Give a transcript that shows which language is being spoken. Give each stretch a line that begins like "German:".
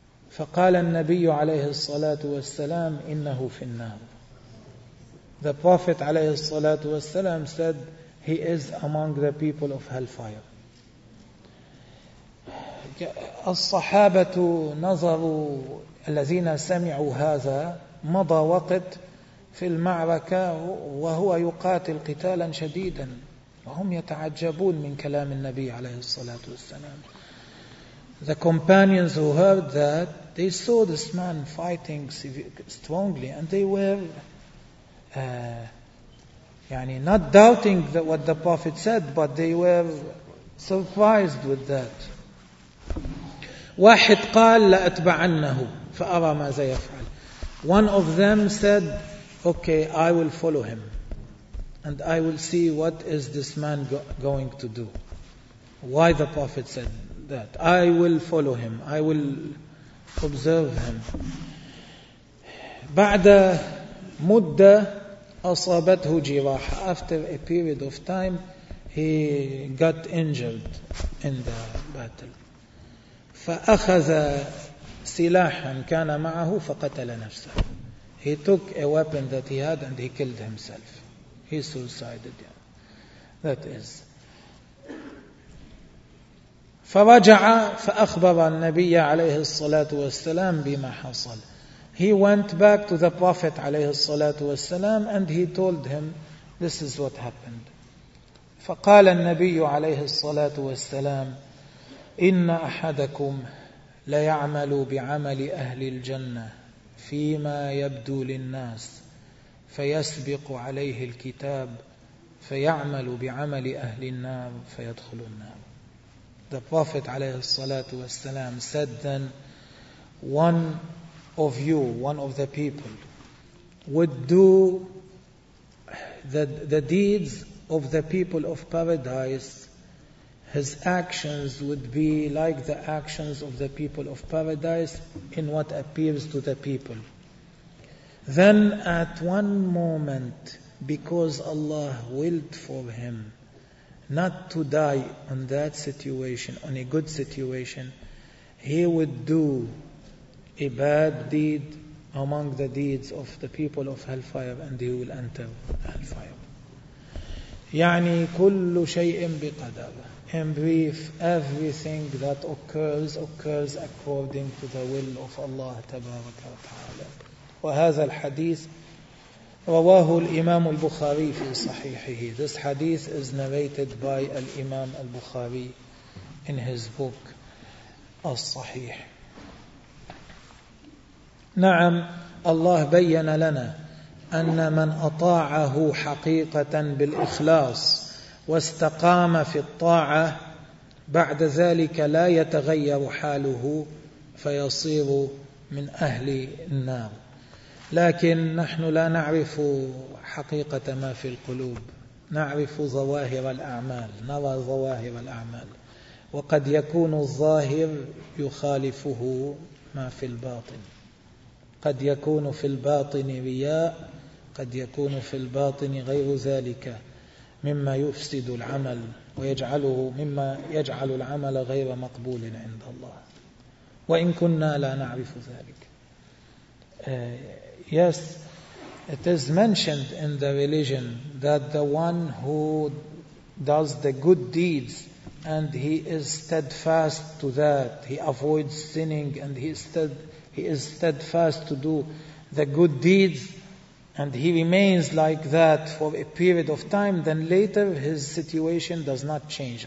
Arabic: فقال النبي عليه الصلاة والسلام إنه في النار.
English: The Prophet
Arabic: عليه الصلاة والسلام
English: said he is among the people of hellfire.
Arabic: الصحابة نظروا الذين سمعوا هذا مضى وقت في المعركة وهو يقاتل قتالا شديدا وهم يتعجبون من كلام النبي عليه الصلاة والسلام.
English: The companions who heard that, they saw this man fighting strongly and they were
Arabic: يعني
English: not doubting that what the Prophet said, but they were surprised with that.
Arabic: واحد قال لا أتبعنه فأرى ماذا يفعل.
English: One of them said, okay, I will follow him and I will see what is this man going to do. Why the Prophet said that? I will follow him. I will observe him.
Arabic: بعد مدة أصابته جراح.
English: After a period of time, he got injured in the battle.
Arabic: فأخذ سلاحا كان معه فقتل نفسه.
English: He took a weapon that he had and he killed himself. He suicided. That is.
Arabic: فرجع فأخبر النبي عليه الصلاة والسلام بما حصل.
English: He went back to the Prophet
Arabic: عليه الصلاة والسلام
English: and he told him, this is what happened.
Arabic: فقال النبي عليه الصلاة والسلام, إن أحدكم ليعمل بعمل أهل الجنة فيما يبدو للناس فيسبق عليه الكتاب فيعمل بعمل أهل النار فيدخل النار.
English: The Prophet
Arabic: عليه الصلاة والسلام
English: said then, one of you, one of the people, would do that the deeds of the people of paradise, his actions would be like the actions of the people of paradise in what appears to the people. Then at one moment, because Allah willed for him not to die on that situation, on a good situation, he would do a bad deed among the deeds of the people of hellfire, and he will enter hellfire.
Arabic: يعني كل شيء بقدر.
English: In brief, everything that occurs, occurs according to the will of Allah
Arabic: تبارك وتعالى. وهذا الحديث رواه الإمام البخاري في صحيحه.
English: This hadith is narrated by Imam al-Bukhari in his book الصحيح.
Arabic: نعم الله بيّن لنا أن من أطاعه حقيقة بالإخلاص واستقام في الطاعة بعد ذلك لا يتغير حاله فيصير من أهل النار. لكن نحن لا نعرف حقيقة ما في القلوب، نعرف ظواهر الأعمال، نرى ظواهر الأعمال، وقد يكون الظاهر يخالفه ما في الباطن، قد يكون في الباطن رياء، قد يكون في الباطن غير ذلك مما يفسد العمل ويجعله مما يجعل العمل غير مقبول عند الله، وإن كنا لا نعرف ذلك.
English: Yes, it is mentioned in the religion that the one who does the good deeds and he is steadfast to that, he avoids sinning and he is steadfast to do the good deeds and he remains like that for a period of time, then later his situation does not change.